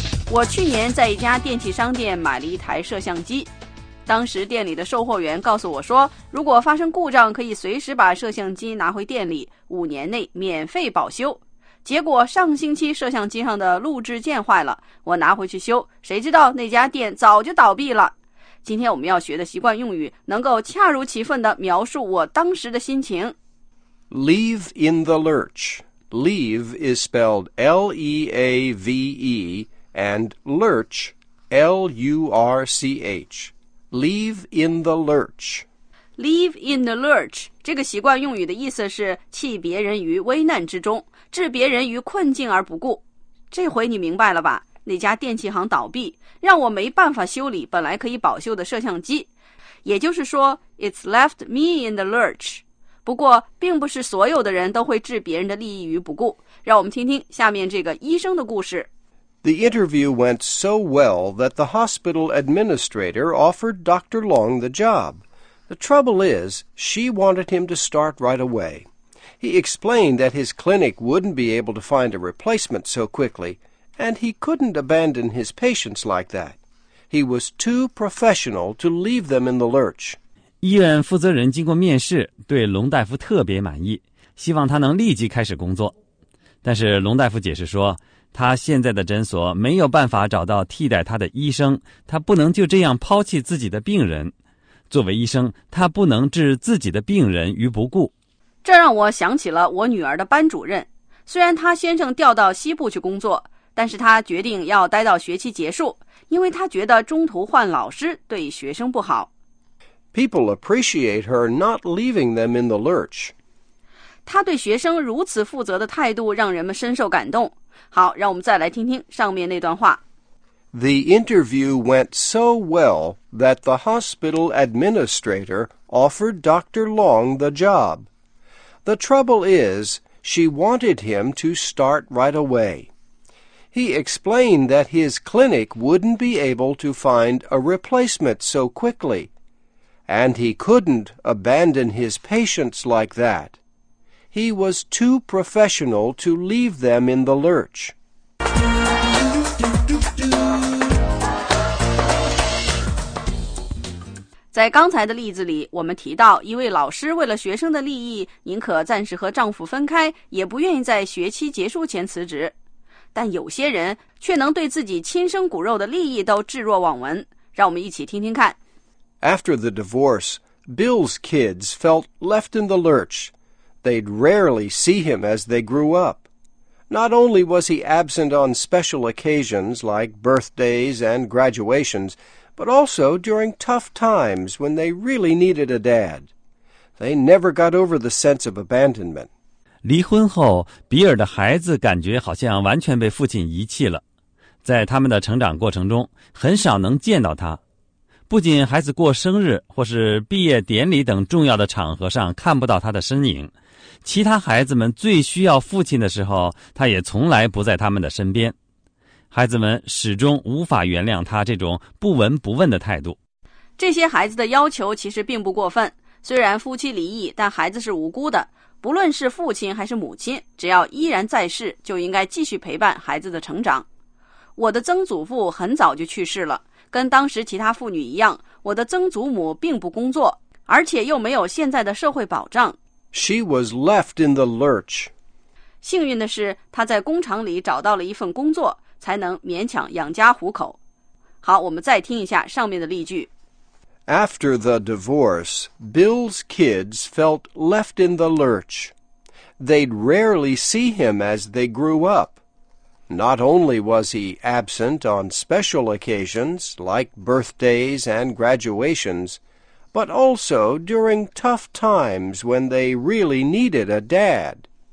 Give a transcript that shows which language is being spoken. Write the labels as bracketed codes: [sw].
[zh] 我去年在一家电器商店买了一台摄像机当时店里的售货员告诉我说如果发生故障可以随时把摄像机拿回店里五年内免费保修结果上星期摄像机上的录制键坏了我拿回去修谁知道那家店早就倒闭了今天我们要学的习惯用语能够恰如其分地描述我当时的心情 [en] Leave in the lurch Leave is spelled L-E-A-V-E and lurch L-U-R-C-H Leave in the lurch [zh] Leave in the lurch 这个习惯用语的意思是弃别人于危难之中置别人于困境而不顾这回你明白了吧那家电器行倒闭让我没办法修理本来可以保修的摄像机也就是说 [en] It's left me in the lurch [zh] 不过并不是所有的人都会置别人的利益于不顾让我们听听下面这个医生的故事 [en] The interview went so well that the hospital administrator offered Dr. Long the job. The trouble is, she wanted him to start right away. He explained that his clinic wouldn't be able to find a replacement so quickly, and he couldn't abandon his patients like that. He was too professional to leave them in the lurch. [zh] 医院负责人经过面试，对龙大夫特别满意，希望他能立即开始工作。但是龙大夫解释说，他现在的诊所没有办法找到替代他的医生，他不能就这样抛弃自己的病人。作为医生，他不能置自己的病人于不顾。这让我想起了我女儿的班主任。虽然他先生调到西部去工作，但是他决定要待到学期结束，因为他觉得中途换老师对学生不好。 [en] People appreciate her not leaving them in the lurch. [zh] 她对学生如此负责的态度让人们深受感动。好，让我们再来听听上面那段话。 [en] The interview went so well that the hospital administrator offered Dr. Long the job. The trouble is, she wanted him to start right away. He explained that his clinic wouldn't be able to find a replacement so quickly, and he couldn't abandon his patients like that. He was too professional to leave them in the lurch. [zh] 在刚才的例子里，我们提到一位老师为了学生的利益，宁可暂时和丈夫分开，也不愿意在学期结束前辞职。但有些人却能对自己亲生骨肉的利益都置若罔闻。让我们一起听听看。 [en] After the divorce, Bill's kids felt left in the lurch. They'd rarely see him as they grew up. Not only was he absent on special occasions like birthdays and graduations,but also during tough times when they really needed a dad. They never got over the sense of abandonment. [zh] 离婚后，比尔的孩子感觉好像完全被父亲遗弃了。在他们的成长过程中，很少能见到他。不仅孩子过生日或是毕业典礼等重要的场合上看不到他的身影，其他孩子们最需要父亲的时候，他也从来不在他们的身边。孩子们始终无法原谅他这种不闻不问的态度。这些孩子的要求其实并不过分，虽然夫妻离异，但孩子是无辜的。不论是父亲还是母亲，只要依然在世，就应该继续陪伴孩子的成长。我的曾祖父很早就去世了，跟当时其他妇女一样，我的曾祖母并不工作，而且又没有现在的社会保障。 [en] She was left in the lurch. [zh] 幸运的是，她在工厂里找到了一份工作，才能勉强养家糊口。好，我们再听一下上面的例句。 [en] After the divorce, Bill's kids felt left in the lurch. They'd rarely see him as they grew up. Not only was he absent on special occasions, like birthdays and graduations, but also during tough times when they really needed a dad.